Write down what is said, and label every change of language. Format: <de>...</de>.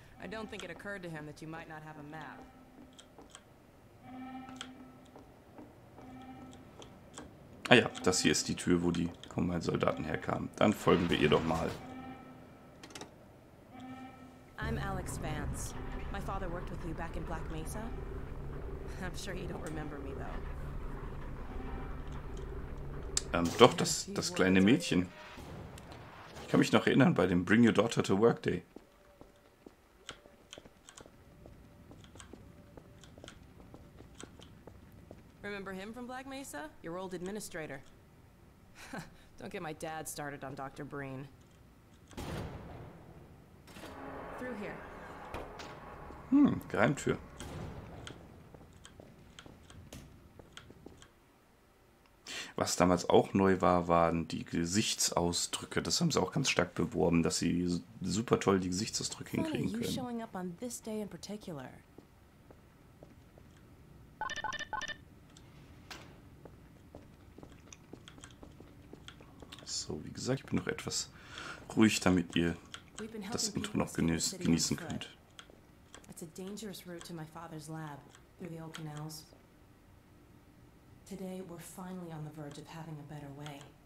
<en>I don't think it occurred to him that you might not have a map.</en> <de>Ah ja, das hier ist die Tür, wo die Combine-Soldaten herkamen. Dann folgen wir ihr doch mal.</de> <en>I'm Alex Vance. My father worked with you back in Black Mesa. I'm sure you don't remember me, though.</en> <de>Doch, das kleine Mädchen. Ich kann mich noch erinnern bei dem Bring Your Daughter to Work Day.</de> <en>Remember him from Black Mesa? Your old administrator. Don't get my dad started on Dr. Breen.</en> <de>Geheimtür. Was damals auch neu war, waren die Gesichtsausdrücke. Das haben sie auch ganz stark beworben, dass sie super toll die Gesichtsausdrücke hinkriegen können.</de> <en>Funny, you showing up on this day in particular.</en> <de>So, wie gesagt, ich bin noch etwas ruhig, damit ihr das Intro noch genießen könnt.</de> <en>It's a dangerous route to my father's lab, through the old canals. Today we're finally on the verge of having a better way.</en>